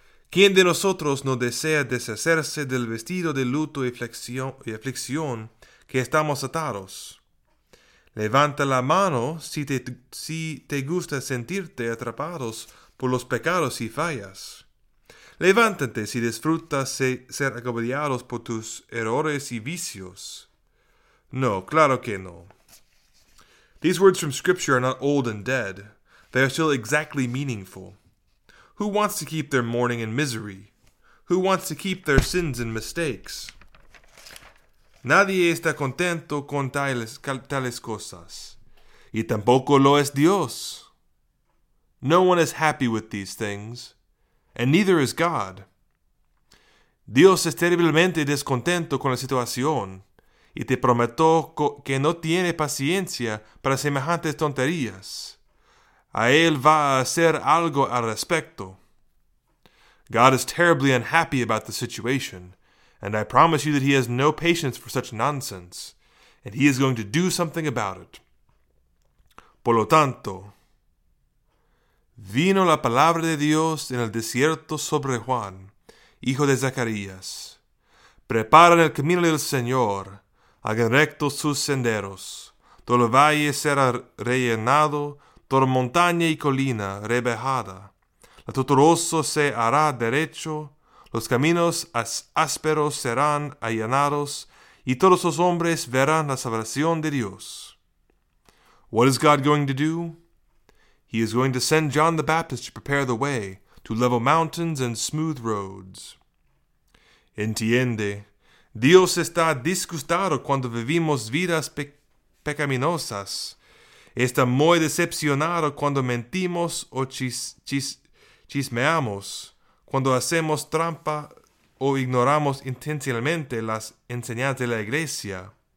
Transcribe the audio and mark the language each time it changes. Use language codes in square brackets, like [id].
[es] ¿Quién de nosotros no desea deshacerse del vestido de luto y aflicción que estamos atados? Levanta la mano si te gusta sentirte atrapados por los pecados y fallas. Levántate si disfrutas ser agobiados por tus errores y vicios. No, claro que no. [en] These words from Scripture are not old and dead. They are still exactly meaningful. Who wants to keep their mourning in misery? Who wants to keep their sins and mistakes? [es] Nadie está contento con tales cosas. Y tampoco lo es Dios. [en] No one is happy with these things. And neither is God. [es] Dios es terriblemente descontento con la situación. Y te prometo que no tiene paciencia para semejantes tonterías. A él va a hacer algo al respecto. [en] God is terribly unhappy about the situation, and I promise you that he has no patience for such nonsense, and he is going to do something about it. [es] Por lo tanto, vino la palabra de Dios en el desierto sobre Juan, hijo de Zacarías. Preparen el camino del Señor, hagan rectos sus senderos, todo el valle será rellenado, toda montaña y colina rebajada. La tortuoso se hará derecho, los caminos ásperos serán allanados, y todos los hombres verán la salvación de Dios. [en] What is God going to do? He is going to send John the Baptist to prepare the way, to level mountains and smooth roads. [es] Entiende, Dios está disgustado cuando vivimos vidas pecaminosas. Está muy decepcionado cuando mentimos o chismeamos, cuando hacemos trampa o ignoramos intencionalmente las enseñanzas de la iglesia.